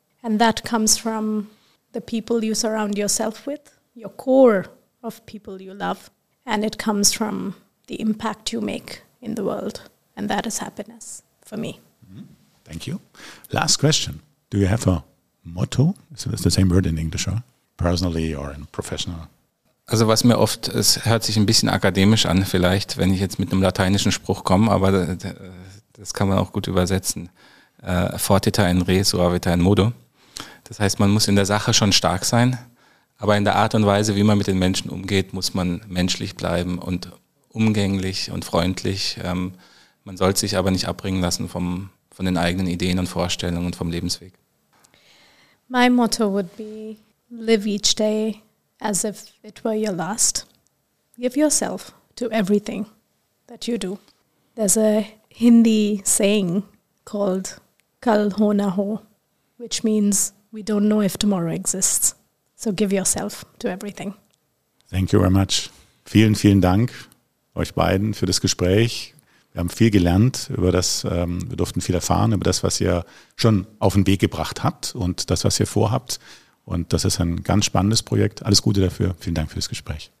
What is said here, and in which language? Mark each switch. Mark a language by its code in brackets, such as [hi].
[en] And that comes from the people you surround yourself with, your core of people you love, and it comes from the impact you make in the world. And that is happiness for me. Thank you. Last question. Do you have a motto? So it's the same word in English, or personally or in professional? [de] Also was mir oft, es hört sich ein bisschen akademisch an vielleicht, wenn ich jetzt mit einem lateinischen Spruch komme, aber das kann man auch gut übersetzen. [la] Fortiter in re, suaviter in modo. [de] Das heißt, man muss in der Sache schon stark sein, aber in der Art und Weise, wie man mit den Menschen umgeht, muss man menschlich bleiben und umgänglich und freundlich. Man sollte sich aber nicht abbringen lassen von den eigenen Ideen und Vorstellungen und vom Lebensweg. [en] My motto would be, live each day as if it were your last. Give yourself to everything that you do. There's a Hindi saying called [hi] kal ho na ho, [en] which means we don't know if tomorrow exists. So give yourself to everything. Thank you very much. [de] Vielen, vielen Dank euch beiden für das Gespräch. Wir haben viel gelernt über das, wir durften viel erfahren über das, was ihr schon auf den Weg gebracht habt und das, was ihr vorhabt. Und das ist ein ganz spannendes Projekt. Alles Gute dafür. Vielen Dank für das Gespräch.